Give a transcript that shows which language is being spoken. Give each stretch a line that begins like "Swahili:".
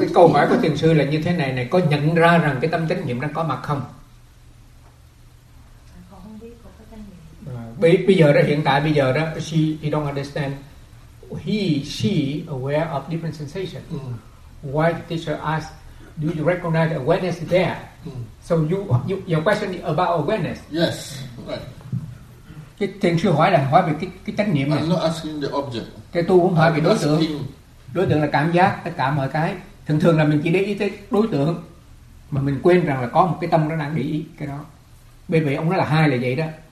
Vietnamese: cái câu hỏi của thiền sư là như thế này này, có nhận ra rằng cái tâm chánh niệm đang có mặt không? Không biết có chánh niệm. Bây giờ đó, hiện tại bây giờ đó,
English: she don't understand. He, she aware of different sensation. Mm. Why the teacher asked, do you recognize awareness there? Mm. So you your question is about awareness. Yes, right.
Vietnamese: Cái thiền sư hỏi là hỏi về cái trách nhiệm này.
English: I'm not asking the object.
Vietnamese: Cái tu không hỏi về đối tượng. Đối tượng là cảm giác, tất cả mọi cái. Thường thường là mình chỉ để ý tới đối tượng, mà mình quên rằng là có một cái tâm nó đang để ý cái đó. Bởi vì ông nói là hai là vậy đó.